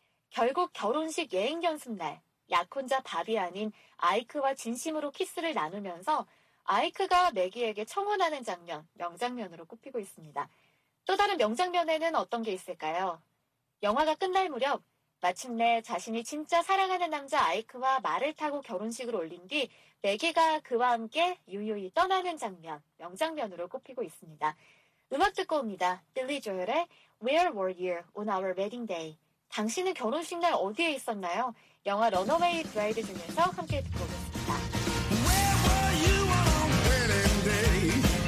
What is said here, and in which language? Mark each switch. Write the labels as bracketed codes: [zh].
[ko] 결국 결혼식 예행 연습날. 약혼자 바비 아닌 아이크와 진심으로 키스를 나누면서 아이크가 매기에게 청혼하는 장면, 명장면으로 꼽히고 있습니다. 또 다른 명장면에는 어떤 게 있을까요? 영화가 끝날 무렵 마침내 자신이 진짜 사랑하는 남자 아이크와 말을 타고 결혼식을 올린 뒤 매기가 그와 함께 유유히 떠나는 장면, 명장면으로 꼽히고 있습니다. 음악 듣고 옵니다. 빌리 조엘의 Where were you on our wedding day? 당신은 결혼식 날 어디에 있었나요? 영화 Runaway Bride 중에서 함께 듣고 오겠습니다. [en] Where were you on wedding day?